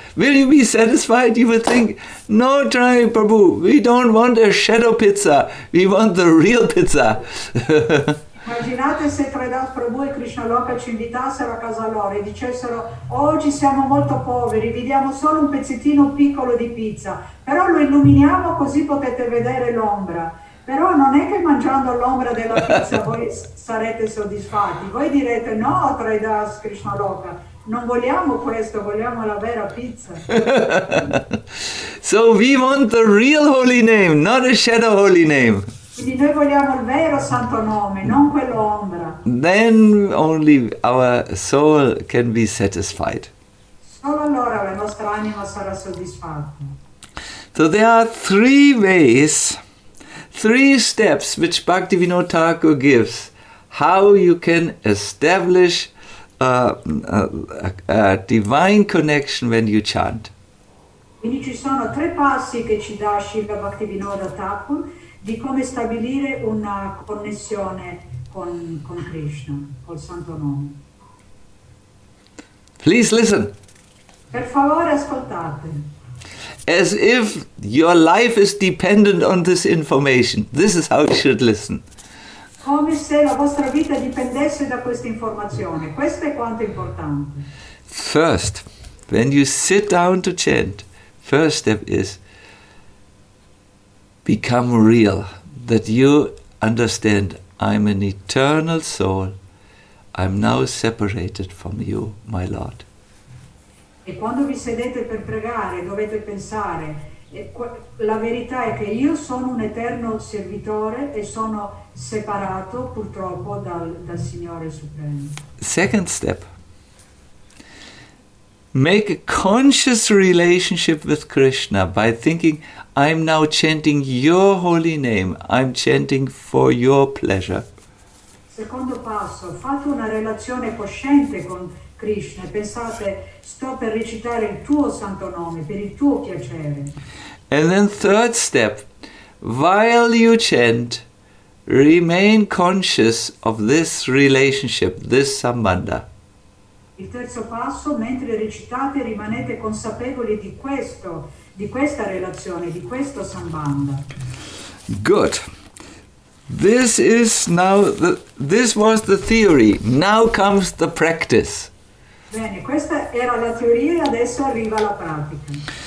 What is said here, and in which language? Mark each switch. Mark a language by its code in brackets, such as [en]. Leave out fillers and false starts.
[en] Will you be satisfied? You would think, no, try Prabhu, we don't want a shadow pizza, we want the real pizza. [it] Immaginate se Tridas Prabhu e Krishna Loka ci invitassero a casa loro e dicessero, oggi siamo molto poveri, vi diamo solo un pezzettino piccolo di pizza, però lo illuminiamo così potete vedere l'ombra. Però non è che mangiando l'ombra della pizza voi sarete soddisfatti, voi direte, no Tridas Krishna Loka, non vogliamo questo, vogliamo la vera pizza. [en] So we want the real holy name, not a shadow holy name. [it] Quindi noi vogliamo il vero santo nome, non quell'ombra. [en] Then only our soul can be satisfied. [it] Solo allora la nostra anima sarà soddisfatta. [en] So there are three ways, three steps which Bhaktivinoda Thakur gives, how you can establish a divine connection when you chant. [it] Quindi ci sono tre passi che ci dà Shiva Bhaktivinoda Thakur di come stabilire una connessione con Krishna, col santo nome. [en] Please listen. [it] Per favore ascoltate. [en] As if your life is dependent on this information. This is how you should listen. [it] Come se la vostra vita dipendesse da questa informazione. Questo è quanto importante. [en] First, when you sit down to chant, first step is become real, that you understand, I'm an eternal soul, I'm now separated from you, my Lord. [it] E quando vi sedete per pregare, dovete pensare, la verità è che io sono un eterno servitore e sono separato, purtroppo, dal Signore Supremo. [en] Second step. Make a conscious relationship with Krishna by thinking, I'm now chanting your holy name, I'm chanting for your pleasure. [it] Secondo passo, fate una relazione cosciente con Krishna. Pensate, sto per recitare il tuo santo nome per il tuo piacere. [en] And then third step, while you chant, remain conscious of this relationship, this sambandha. [it] Il terzo passo, mentre recitate, rimanete consapevoli di questo, di questa relazione, di questo sambandha. [en] Good. This is now the, this was the theory. Now comes the practice. [it] Bene, questa era la teoria e adesso arriva la pratica.